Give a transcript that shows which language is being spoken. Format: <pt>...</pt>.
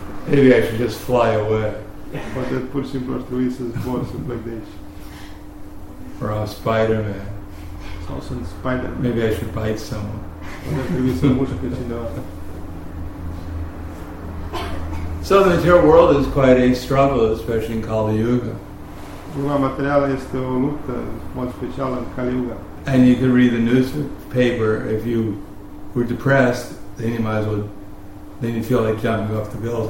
<en>Maybe I should just fly away. But that</en> <ro>pur și simplu ar trebui să zbor, să plec de aici.</ro> <en>Or I'm Spider-Man.</en> <ro>Sau sunt Spider-Man.</ro> <en>Maybe I should bite someone.</en> <ro>Poate ar trebui să mușc pe cineva.</ro> <en>So the material world is quite a struggle, especially in Kali Yuga.</en> <ro>Lumea materială este o luptă, mod special în Kali Yuga.</ro> <en>And you can read the newspaper if you were depressed, then you might as well. Then you feel like jumping off the</en>